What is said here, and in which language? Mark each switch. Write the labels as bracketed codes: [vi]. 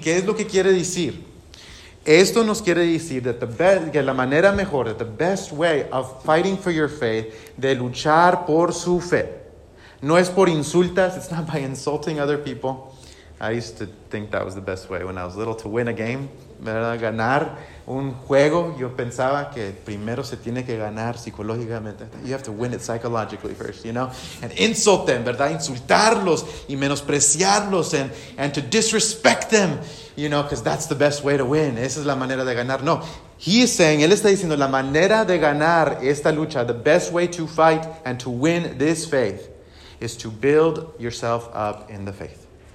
[es] ¿Qué es lo que quiere decir? Esto nos quiere decir that que la manera mejor, [en] that the best way of fighting for your faith, [es] de luchar por su fe, no es por insultas, [en] it's not by insulting other people. I used to think that was the best way when I was little, to win a game, ¿verdad? [es] Ganar un juego. Yo pensaba que primero se tiene que ganar psicológicamente. [en] You have to win it psychologically first, you know? And insult them, ¿verdad? [es] Insultarlos y menospreciarlos [en] and to disrespect them, you know, because that's the best way to win. [es] Esa es la manera de ganar. [en] No, he is saying, [es] él está diciendo, la manera de ganar esta lucha, [en] the best way to fight and to win this faith is to build yourself up in the faith.